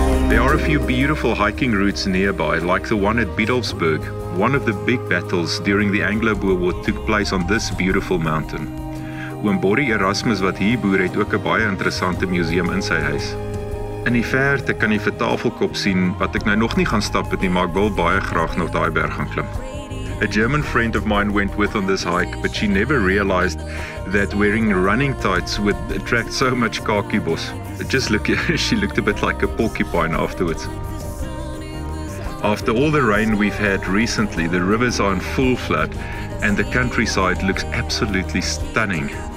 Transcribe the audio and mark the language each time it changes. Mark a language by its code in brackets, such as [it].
[en] There are a few beautiful hiking routes nearby, like the one at Biddelsberg. One of the big battles during the Anglo-Boer War took place on this beautiful mountain. [af] Oom Borrie Erasmus wat hier boer het ook 'n baie interessante museum in sy huis. In die verte kan jy vir Tafelkop sien wat ek nou nog nie gaan stap het nie, maar ek wil baie graag nog daai berg gaan klim. [en] A German friend of mine went with on this hike, but she never realized that wearing running tights would attract so much khaki bos. Just look, she looked a bit like a porcupine afterwards. After all the rain we've had recently, the rivers are in full flood and the countryside looks absolutely stunning.